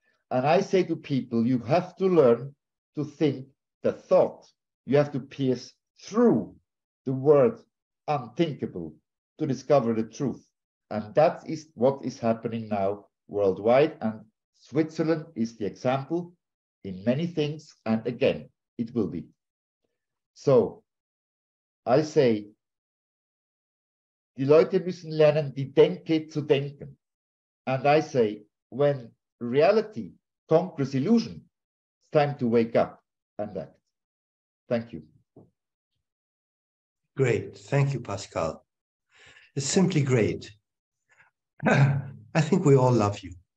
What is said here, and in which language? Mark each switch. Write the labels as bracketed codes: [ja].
[en] And I say to people, you have to learn to think the thought. You have to pierce through the word unthinkable to discover the truth. And that is what is happening now worldwide. And Switzerland is the example in many things. And again, it will be. So I say, [de] die Leute müssen lernen, die Denke zu denken. [en] And I say, when reality conquers illusion, it's time to wake up and act. Thank you. Great. Thank you, Pascal. It's simply great. I think we all love you.